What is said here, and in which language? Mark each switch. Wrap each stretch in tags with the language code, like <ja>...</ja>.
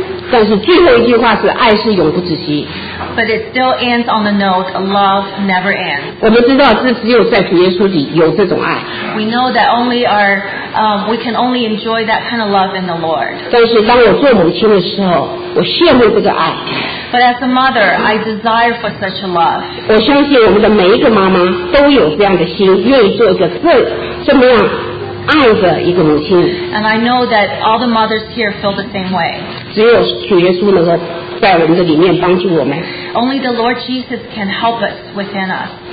<zh>但是最后一句话是爱是永不止息。</zh> <en>But it still ends on the note, love never ends.</en> <zh>我们知道这只有在主耶稣里有这种爱。</zh> <en>We know that only we can only enjoy that kind of love in the Lord.</en> <zh>但是当我做母亲的时候，我羡慕这个爱。</zh> <en>But as a mother, I desire for such a love.</en> <zh>我相信我们的每一个妈妈都有这样的心，愿意做一个这么样爱的一个母亲。</zh> <en>And I know that all the mothers here feel the same way.</en> <zh>只有主耶稣能够在我们的里面帮助我们。</zh> <en>Only the Lord Jesus can help us within us.</en>